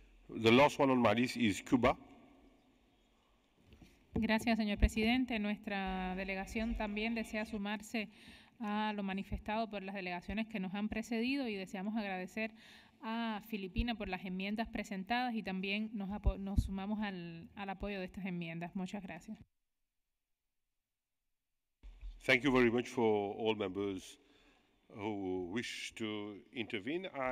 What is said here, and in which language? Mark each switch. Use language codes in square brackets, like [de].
[en] The last one on my list is Cuba. [es] Gracias, señor presidente. Nuestra delegación también desea sumarse a lo manifestado por las delegaciones que nos han precedido y deseamos agradecer a Filipinas por las enmiendas presentadas y también nos sumamos al apoyo de estas enmiendas. Muchas gracias. [en] Thank you very much for all members who wish to intervene.